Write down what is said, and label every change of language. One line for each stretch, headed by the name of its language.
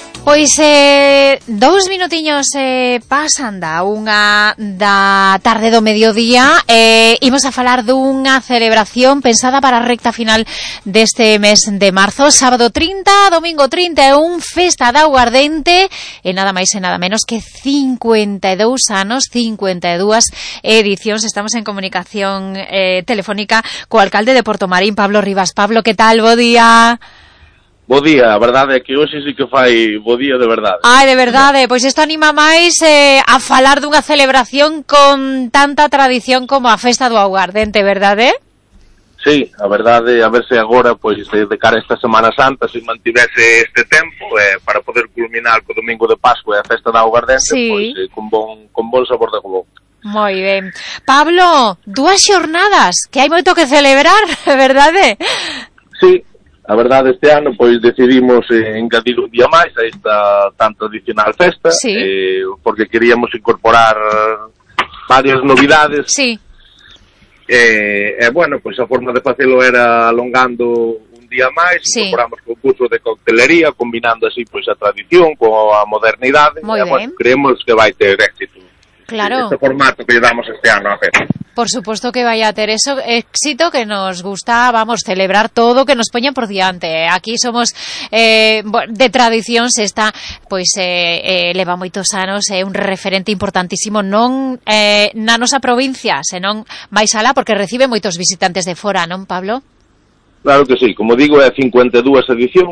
Galician: Pois dous minutiños pasan da unha da tarde do mediodía. Imos a falar dunha celebración pensada para a recta final deste mes de marzo. Sábado 30, domingo 31, festa da Auardente. E nada máis e nada menos que 52 anos, 52 edicións. Estamos en comunicación telefónica co alcalde de Porto Marín, Pablo Rivas. Pablo, que tal? Bo día. Bo día, a verdade é que hoxe sí que fai bo día de verdade. Ai, de verdade, pois isto anima máis a falar dunha celebración con tanta tradición como a festa do Auardente, verdade? Sí, a verdade, a verse agora, pois, de cara a esta Semana Santa, se mantivese este tempo, para poder culminar co Domingo de Pascua e a festa do Auardente, sí. Pois, con bon sabor de gobón. Moi ben. Pablo, dúas xornadas, que hai moito que celebrar, verdade? Sí. A verdade, este ano, pois, decidimos engadir un día máis a esta tan tradicional festa, sí. Porque queríamos incorporar varias novidades. Sí. Bueno, pois a forma de facelo era alongando un día máis, sí. Incorporamos concurso de coctelería, combinando así pois a tradición coa modernidade. Moi ben. Bueno, creemos que vai ter éxito. Claro. Este formato que damos este ano a festa.
Spanish: Por supuesto que vaya a tener eso éxito que nos gusta, vamos, celebrar todo que nos ponen por diante.
Galician: Aquí somos de tradición, se está, pues, leva moitos anos, é un referente importantísimo, non na nosa provincia, senón máis alá, porque recibe moitos visitantes de fora, non, Pablo? Claro que sí, como digo, é 52 edición,